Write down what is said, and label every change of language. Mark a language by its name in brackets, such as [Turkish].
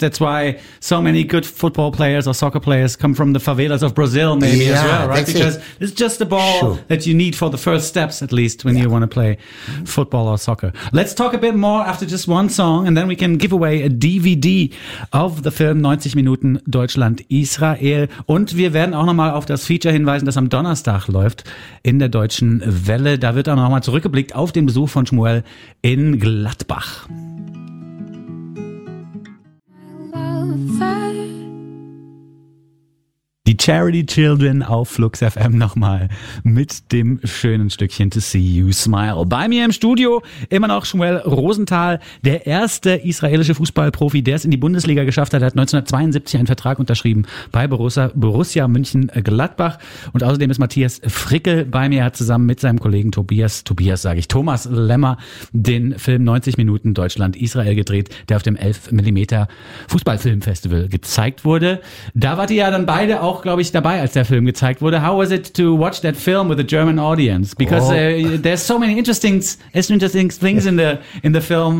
[English] That's why so many good football players or soccer players come from the favelas of Brazil maybe as well, right? Because it's just the ball that you need for the first steps, at least, when you want to play football or soccer. Let's talk a bit more after just one song, and then we can give away a DVD of the film 90 Minuten Deutschland-Israel. [German] Und wir werden auch nochmal auf das Feature hinweisen, das am Donnerstag läuft in der Deutschen Welle. Da wird auch nochmal zurückgeblickt auf den Besuch von Schmuel in Gladbach. Die Charity Children auf Flux FM nochmal mit dem schönen Stückchen To See You Smile. Bei mir im Studio immer noch Schmuel Rosenthal, der erste israelische Fußballprofi, der es in die Bundesliga geschafft hat. Er hat 1972 einen Vertrag unterschrieben bei Borussia München-Gladbach. Und außerdem ist Matthias Frickel bei mir. Er hat zusammen mit seinem Kollegen Thomas Lemmer den Film 90 Minuten Deutschland-Israel gedreht, der auf dem 11mm Fußballfilmfestival gezeigt wurde. Da wart ihr ja dann beide auch, glaube ich, dabei, als der Film gezeigt wurde. [English] How was it to watch that film with a German audience? Because there's so many interesting things in the film.